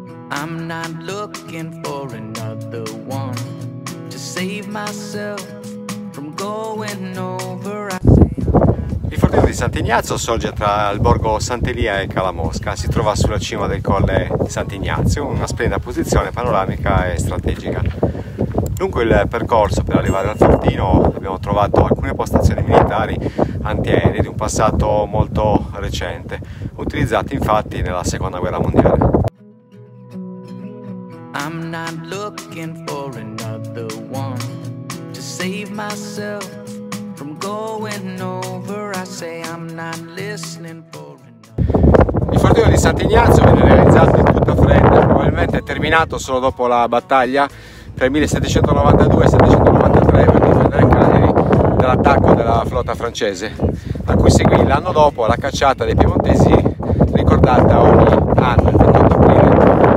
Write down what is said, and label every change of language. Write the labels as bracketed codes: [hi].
[en] I'm not looking for another one to save myself from going over. [it] Il fortino di Sant'Ignazio sorge tra il borgo Sant'Elia e Calamosca. Si trova sulla cima del colle Sant'Ignazio, una splendida posizione panoramica e strategica. Dunque il percorso per arrivare al fortino, abbiamo trovato alcune postazioni militari antiaeree di un passato molto recente, utilizzate infatti nella Seconda Guerra Mondiale. [en] I'm not looking for another one to save myself from going over. I say I'm not listening for another. [it] Il fortino di Sant'Ignazio viene realizzato in tutta fretta, probabilmente è terminato solo dopo la battaglia tra il 1792 e 1793 per difendere Cagliari dall'attacco della flotta francese, a cui seguì l'anno dopo la cacciata dei piemontesi ricordata ogni anno.